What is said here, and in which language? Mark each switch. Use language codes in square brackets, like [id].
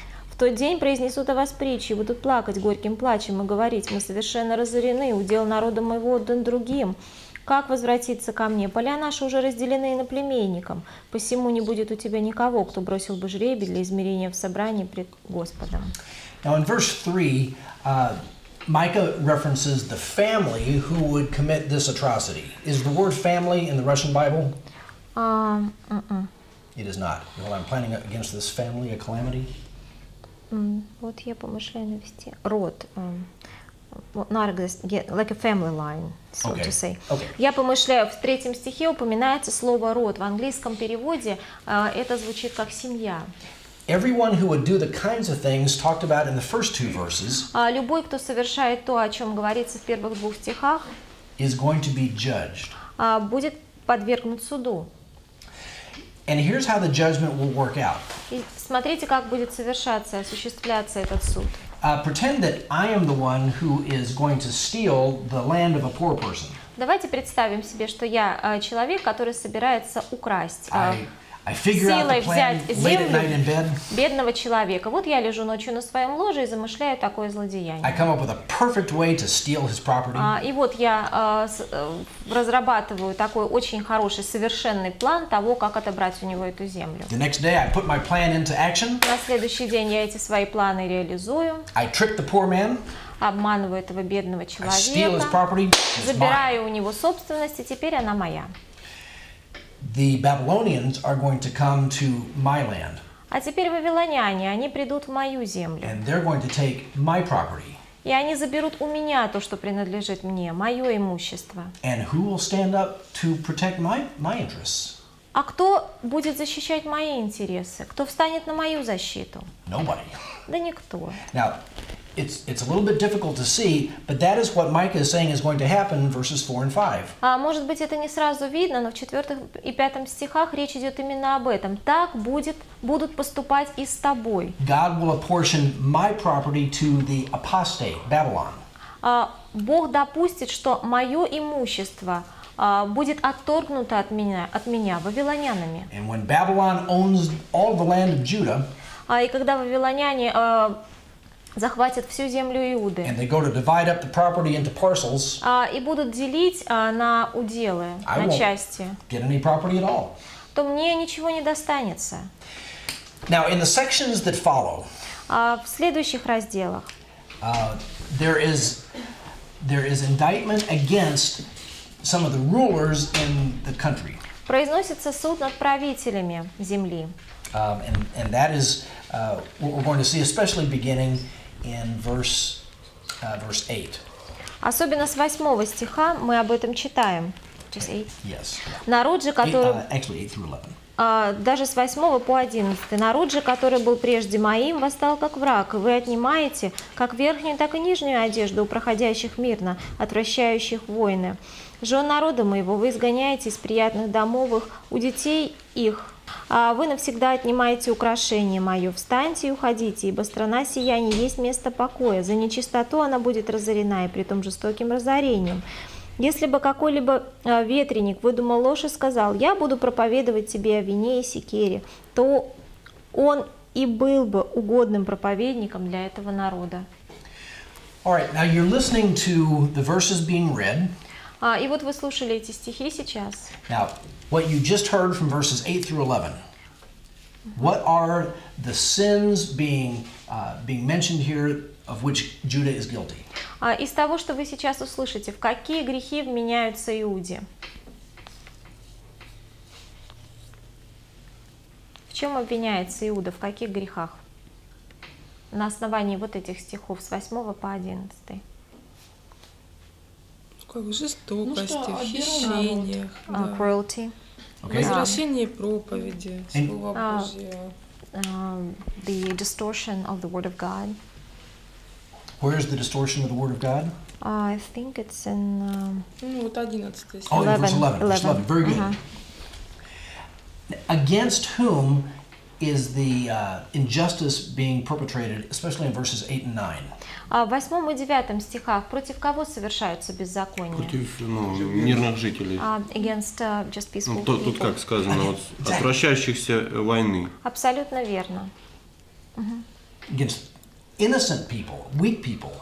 [ru] В тот день произнесут о вас притчи, будут плакать горьким плачем и говорить, мы совершенно разорены, удел народа моего отдан другим. Как возвратиться ко мне? Поля наши уже разделены иноплеменникам. Посему не будет у тебя никого, кто бросил бы жребий для измерения в собрании пред Господом». [en] Now in verse 3, Micah references the family who would commit this atrocity. Is the word family in the Russian Bible? It is not. Well, I'm planning against this family a calamity. [ru] Вот я помышляю навести род. [en] Like a family line, so okay. to say. Okay. [ru] Я помышляю, в третьем стихе упоминается слово род. В английском переводе это звучит как семья. [en] Everyone who would do the kinds of things talked about in the first two verses. [ru] Любой, кто совершает то, о чем говорится в первых двух стихах, [en] is going to be judged. [ru] Будет подвергнут суду. [en] And here's how the judgment will work out. [ru] И смотрите, как будет совершаться, осуществляться этот суд. [en] pretend that I am the one who is going to steal the land of a poor person. [ru] Давайте представим себе, что я человек, который собирается украсть. [en] I figure out the plan late at night in bed. [ru] Бедного человека. Вот я лежу ночью на своем ложе и замышляю такое злодеяние. [en] I come up with a perfect way to steal his property. [ru] И вот я разрабатываю такой очень хороший, совершенный план того, как отобрать у него эту землю. [en] The next day I put my plan into action. [ru] На следующий день я эти свои планы реализую. [en] I trick the poor man. [ru] Обманываю этого бедного человека. [en] I steal his property. [ru] Забираю у него собственность, и теперь она моя. [en] The Babylonians are going to come to my land. [ru] А теперь вавилоняне, они придут в мою землю. [en] And they're going to take my property. [ru] И они заберут у меня то, что принадлежит мне, мое имущество. [en] And who will stand up to protect my interests? [ru] А кто будет защищать мои интересы? Кто встанет на мою защиту? [en] Nobody. [ru] Да никто. [en] Now, It's a little bit difficult to see, but that is what Micah is saying is going to happen in verses 4 and 5. [ru] Может быть, это не сразу видно, но в 4 и 5 стихах речь идет именно об этом. Так будут поступать и с тобой. [en] God will apportion my property to the apostate, Babylon. [ru] Бог допустит, что мое имущество будет отторгнуто от меня вавилонянами. [en] And when Babylon owns all the land of Judah, [ru] и когда вавилоняне захватят всю землю Иуды. [en] And they go to divide up the property into parcels. [ru] И будут делить на уделы, на части. [en] Get any property at all. [ru] То мне ничего не достанется. [en] Now, in the sections that follow. [ru] В следующих разделах. [en] There is indictment against some of the rulers in the country. [ru] Произносится суд над правителями земли. [en] And that is what we're going to see, especially beginning in verse 8. [ru] Особенно с 8 стиха мы об этом читаем. [en] Just 8? Yes. [ru] Народ же, который... [en] actually, 8 through 11. [ru] Даже с 8 по 11. Народ же, который был прежде моим, восстал как враг. И вы отнимаете как верхнюю, так и нижнюю одежду у проходящих мирно, отвращающих войны. Жен народа моего вы изгоняете из приятных домовых, у детей их... Вы навсегда отнимаете украшение мое, встаньте и уходите, ибо страна сия не есть место покоя, за нечистоту она будет разорена, и при том жестоким разорением. Если бы какой-либо ветреник выдумал ложь и сказал, я буду проповедовать тебе о вине и секере, то он и был бы угодным проповедником для этого народа. [en] All right, now you're listening to the verses being read. [ru] И вот вы слушали эти стихи сейчас. [en] Now, what you just heard from verses 8 through 11. What are the sins being mentioned here of which Judah is guilty? [ru] Из того, что вы сейчас услышите, в какие грехи вменяются Иуде? В чем обвиняется Иуда? В каких грехах? На основании вот этих стихов с 8 по 11. Какой жестокости, в хищениях. Да. [en] Cruelty. Okay. [ru] Возвращение проповеди, Слова Божьего. [en] The distortion of the Word of God. Where is the distortion of the Word of God? I think it's in... [ru] вот 11. [en] Verse 11. Very good. Against whom is the injustice being perpetrated, especially in verses 8 and 9? [ru] В 8 и 9 стихах против кого совершаются беззакония? Против мирных жителей. [en] Against just peaceful people. [ru] Тут как сказано, отвращающихся войны. Абсолютно верно. [en] Against innocent people, weak people.